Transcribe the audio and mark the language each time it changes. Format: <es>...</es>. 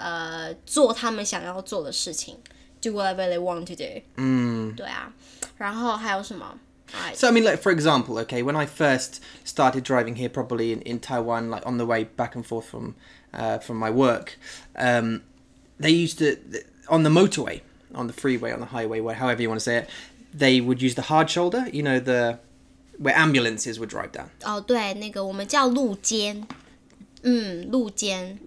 <zh>他们会变慢，然后他们就会骑很快。自私，他们想要骑，他们想要就是做他们想要做的事情.</zh> <en>Do whatever they want to do.</en> <zh>对啊，然后还有什么？</zh> <en>So, I mean, like, for example, okay, when I first started driving here probably in Taiwan, like, on the way back and forth from my work, they used to, on the motorway, on the freeway, on the highway, however you want to say it, they would use the hard shoulder, you know, the, where ambulances would drive down.</en> <zh>Oh, 对,那个我们叫路肩, 路肩.</zh>